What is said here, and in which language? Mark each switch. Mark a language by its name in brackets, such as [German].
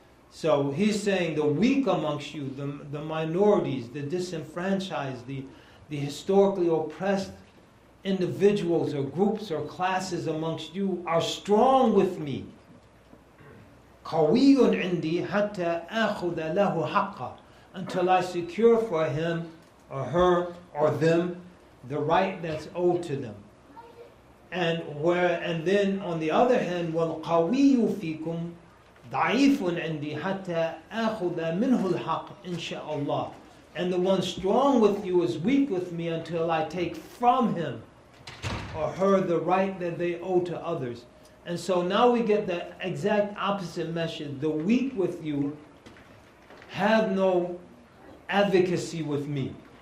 [English] So he's saying the weak amongst you, the minorities, the disenfranchised, the historically oppressed individuals or groups or classes amongst you are strong with me. [Arabic] قَوِيٌ عِنْدِي حَتَّى أَخُذَ لَهُ حَقَّ [English] until I secure for him or her or them the right that's owed to them. And where, and then on the other hand, [Arabic] وَالْقَوِيُّ فِيكُمْ ضَعِيفٌ عِنْدِي حَتَّى أَخُذَ مِنْهُ الْحَقِّ إِنْشَاءَ. [English] And the one strong with you is weak with me until I take from him or her the right that they owe to others. And so now we get the exact opposite message. The weak with you have no advocacy with me.